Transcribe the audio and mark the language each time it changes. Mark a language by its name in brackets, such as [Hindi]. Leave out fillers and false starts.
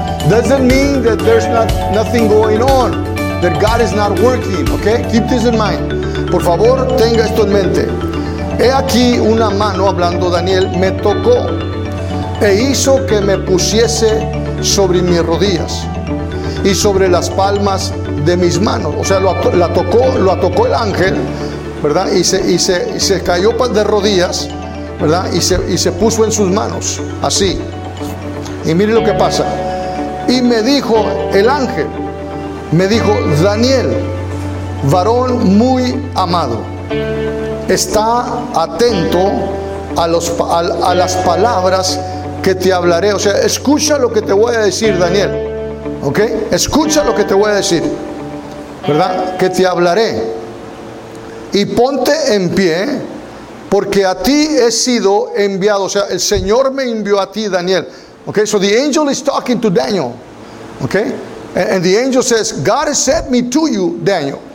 [English] doesn't mean that there's nothing going on, that God is not working, okay? Keep this in mind. [Spanish] Por favor, tenga esto en mente. He aquí una mano, hablando Daniel, me tocó e hizo que me pusiese sobre mis rodillas y sobre las palmas de mis manos. O sea, la tocó el ángel, ¿verdad? Y se cayó de rodillas, ¿verdad? Y se puso en sus manos, así. Y mire lo que pasa. Y me dijo el ángel, me dijo: Daniel, varón muy amado, está atento a las palabras que te hablaré. O sea, escucha lo que te voy a decir, Daniel. ¿Ok? Escucha lo que te voy a decir, ¿verdad? Que te hablaré. Y ponte en pie, porque a ti he sido enviado. O sea, el Señor me envió a ti, Daniel. [English] ¿Ok? So the angel is talking to Daniel. ¿Ok? And the angel says, God has sent me to you, Daniel.